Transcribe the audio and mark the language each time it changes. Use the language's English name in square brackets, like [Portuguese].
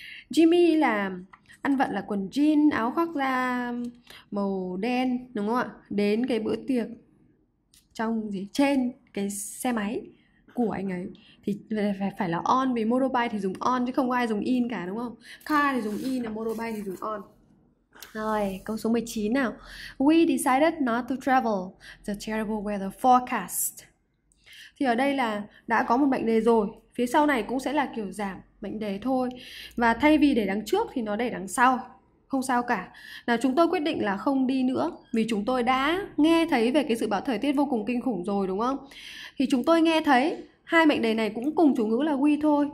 [Vietnamese] Jimmy làm ăn vận là quần jean, áo khoác da màu đen, đúng không ạ? Đến cái bữa tiệc trong gì, trên cái xe máy của anh ấy thì phải phải là on, vì motorbike thì dùng on chứ không có ai dùng in cả, đúng không? Car thì dùng in, là motorbike thì dùng on. Rồi, câu số 19 nào. [English] We decided not to travel the terrible weather forecast. [Vietnamese] Thì ở đây là đã có một mệnh đề rồi, phía sau này cũng sẽ là kiểu giảm mệnh đề thôi. Và thay vì để đằng trước thì nó để đằng sau. Không sao cả. Là chúng tôi quyết định là không đi nữa, vì chúng tôi đã nghe thấy về cái dự báo thời tiết vô cùng kinh khủng rồi, đúng không? Thì chúng tôi nghe thấy hai mệnh đề này cũng cùng chủ ngữ là we thôi.